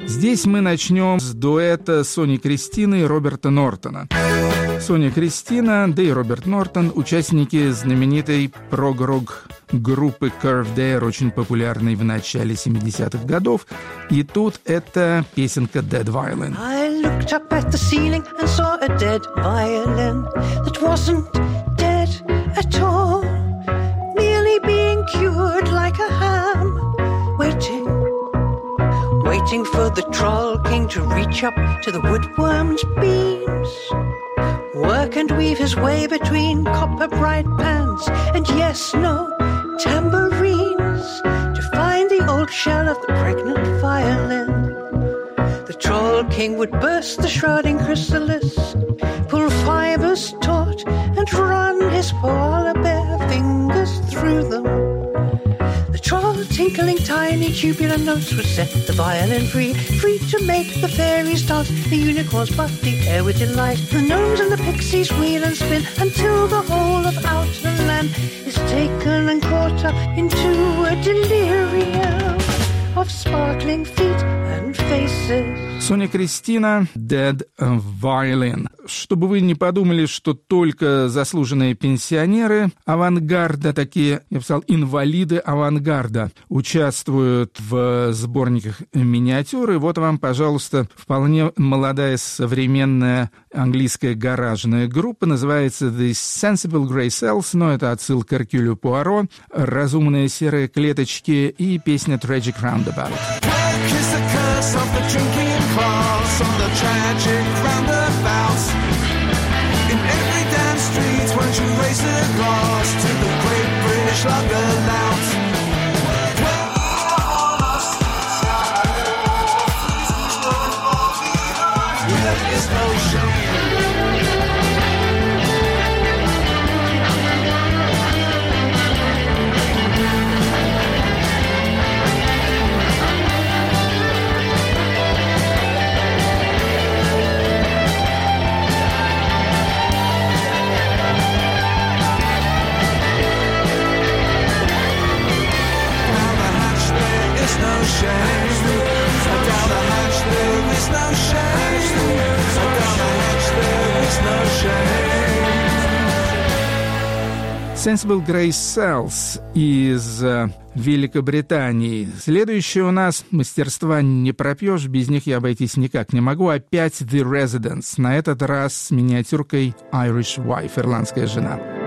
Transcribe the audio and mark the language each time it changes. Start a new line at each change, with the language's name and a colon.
Russian: Здесь мы начнем с дуэта Сони Кристины и Роберта Нортона. Соня Кристина, да и Роберт Нортон, участники знаменитой прогрок группы Curved Air, очень популярной в начале 70-х годов. И тут это песенка Dead Violin.
English: I looked up at the ceiling and saw a dead violin that wasn't dead at all, merely being cured like a ham, waiting, waiting for the troll king to reach up to the woodworm's beams, work and weave his way between copper bright pans and yes, no, tambourines, to find the old shell of the pregnant violin. The troll king would burst the shrouding chrysalis, pull fibers taut and run his polar bear fingers through them. The troll tinkling tiny tubular notes would set the violin free, free to make the fairies dance, the unicorns buff the air with delight. The gnomes and the pixies wheel and spin until the whole of outer land is taken and caught up into a delirium of sparkling feet and faces.
Russian: Соня Кристина, Dead Violin. Чтобы вы не подумали, что только заслуженные пенсионеры авангарда, такие, я бы сказал, инвалиды авангарда, участвуют в сборниках миниатюры. Вот вам, пожалуйста, вполне молодая современная английская гаражная группа, называется The Sensible Grey Cells, но это отсылка к Эркюлю Пуаро, «Разумные серые клеточки» и песня Tragic Roundabout.
English: Of the drinking class, of the tragic roundabouts. In every damn street, won't you raise a glass to the great British lager lout?
Russian: Sensible Grey Cells из Великобритании. Следующее у нас «Мастерства не пропьешь», без них я обойтись никак не могу. Опять The Residents, на этот раз с миниатюркой Irish Wife, «Ирландская жена».